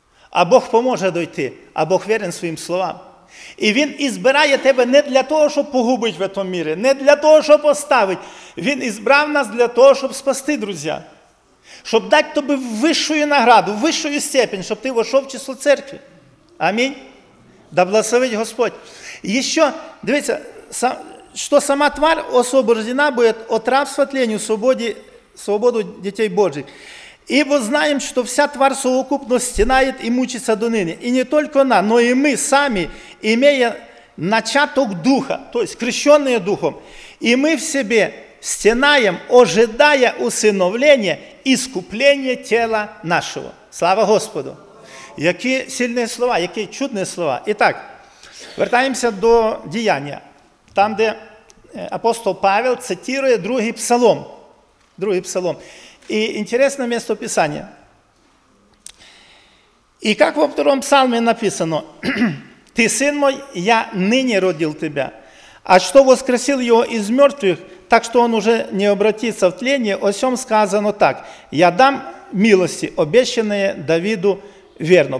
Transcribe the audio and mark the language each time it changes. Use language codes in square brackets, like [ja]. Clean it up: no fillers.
[uk] А Бог поможе дойти, а Бог вірен своїм словам. І Він ізбирає тебе не для того, щоб погубити в цьому мірі, не для того, щоб оставити. Він ізбрав нас для того, щоб спасти, друзі. Щоб дати тобі вищу награду, вищу степень, щоб ти вийшов в число церкви. Амінь. Да благословить Господь. І що, дивіться, сам... [ru] Что сама тварь освобождена будет от рабства тленью свободе, свободу детей Божьих. Ибо знаем, что вся тварь совокупно стенает и мучится до ныне. И не только она, но и мы сами, имея начаток Духа, то есть крещенные Духом, и мы в себе стенаем, ожидая усыновления, искупления тела нашего. Слава Господу! Какие сильные слова, какие чудные слова. Итак, вертаемся до деяния. [uk] Там, де апостол Павел цитирує другий псалом. Другий псалом. І інтересне місце писання. І як во второму псалмі написано, «Ти, син мой, я нині родил тебя, а що воскресил його із мертвих, так що он уже не обратиться в тлені, о сьому сказано так, я дам милості, обещанные Давиду верно».